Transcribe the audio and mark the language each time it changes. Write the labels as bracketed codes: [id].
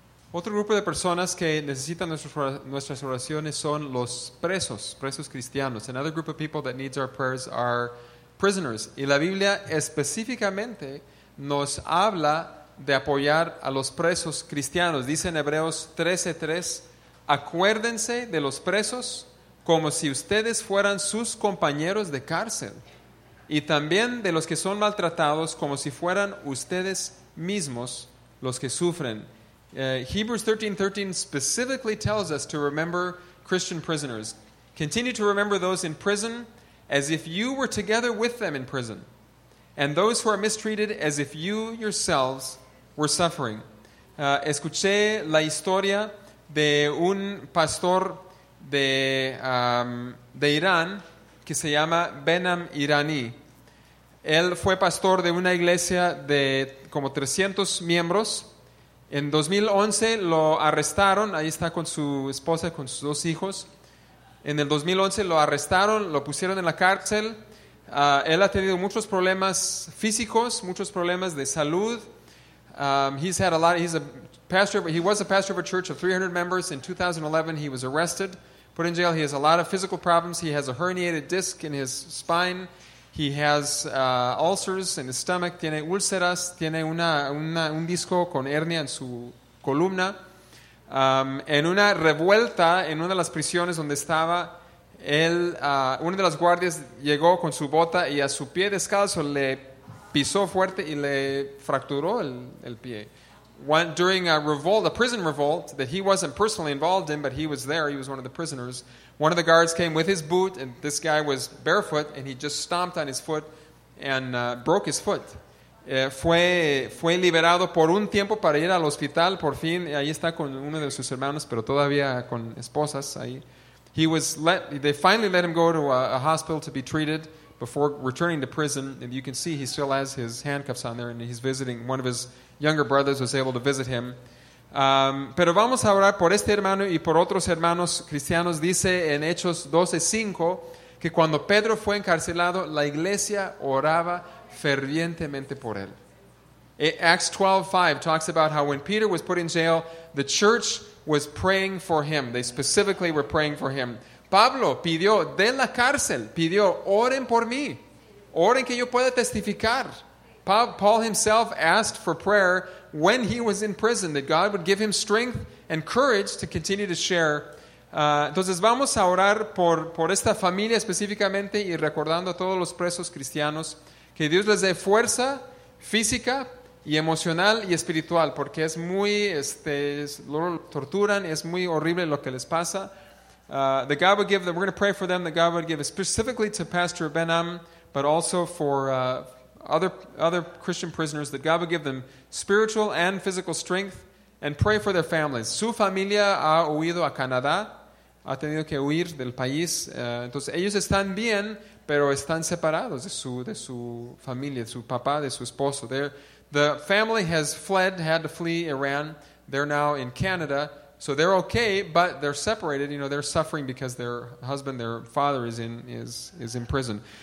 [es] Otro grupo de personas que necesitan nuestras oraciones son los presos cristianos. [en] Another group of people that needs our prayers are prisoners. [es] Y la Biblia específicamente nos habla de apoyar a los presos cristianos. Dice en Hebreos 13:3, acuérdense de los presos como si ustedes fueran sus compañeros de cárcel, y también de los que son maltratados como si fueran ustedes mismos los que sufren. [en] Hebrews 13:13 specifically tells us to remember Christian prisoners. Continue to remember those in prison as if you were together with them in prison, and those who are mistreated as if you yourselves were suffering. [es] Escuché la historia de un pastor de Irán que se llama Benam Irani. Él fue pastor de una iglesia de como 300 miembros. En 2011 lo arrestaron. Ahí está con su esposa, con sus dos hijos. En el 2011 lo arrestaron, lo pusieron en la cárcel. Él ha tenido muchos problemas físicos, muchos problemas de salud. [en] He was a pastor of a church of 300 members. In 2011, he was arrested, put in jail. He has a lot of physical problems. He has a herniated disc in his spine. He has ulcers in his stomach. [es] Tiene úlceras. Tiene un disco con hernia en su columna. En una revuelta en una de las prisiones donde estaba, uno de las guardias llegó con su bota y a su pie descalzo le pisó fuerte y le fracturó el pie. [en] During a prison revolt that he wasn't personally involved in, but he was there, he was one of the prisoners, one of the guards came with his boot, and this guy was barefoot, and he just stomped on his foot and broke his foot. [es] Fue liberado por un tiempo para ir al hospital, por fin, ahí está con uno de sus hermanos, pero todavía con esposas ahí. [en] They finally let him go to a hospital to be treated before returning to prison, and you can see he still has his handcuffs on there, and he's visiting, one of his younger brothers was able to visit him. [es] Pero vamos a orar por este hermano y por otros hermanos cristianos. Dice en Hechos 12:5 que cuando Pedro fue encarcelado, la iglesia oraba fervientemente por él. [en] Acts 12:5 talks about how when Peter was put in jail, the church was praying for him. They specifically were praying for him. [es] Pablo pidió de la cárcel, pidió, oren por mí, oren que yo pueda testificar. [en] Paul himself asked for prayer when he was in prison, that God would give him strength and courage to continue to share. [es] Entonces vamos a orar por esta familia específicamente y recordando a todos los presos cristianos que Dios les dé fuerza física y emocional y espiritual, porque es muy, lo torturan, es muy horrible lo que les pasa. [en] We're going to pray for them, that God would give specifically to Pastor Benam, but also for other Christian prisoners, that God would give them spiritual and physical strength, and pray for their families. [es] Su familia ha huido a Canadá, ha tenido que huir del país. Entonces ellos están bien, pero están separados de su familia, de su papá, de su esposo. [en] The family has fled, had to flee Iran. They're now in Canada. So they're okay, but they're separated. You know, they're suffering because their husband, their father is in prison.